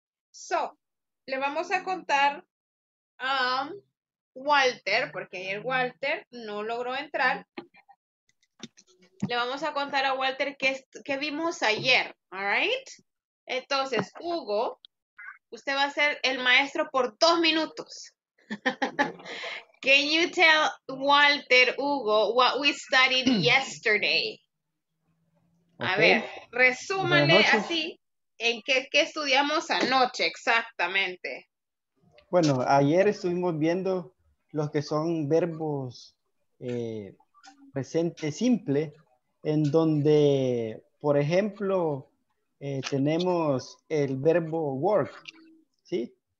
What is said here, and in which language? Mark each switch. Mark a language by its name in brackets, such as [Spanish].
[Spanish] So le vamos a contar a Walter, porque ayer Walter no logró entrar. Le vamos a contar a Walter qué vimos ayer. [English] All right. [Spanish] Entonces, Hugo, usted va a ser el maestro por 2 minutos. [English] Can you tell Walter, Hugo, what we studied yesterday? [Spanish] Okay. A ver, resúmale así en qué estudiamos anoche exactamente. Bueno, ayer estuvimos viendo los que son verbos presente simple, en donde, por ejemplo, tenemos el verbo work, ¿sí?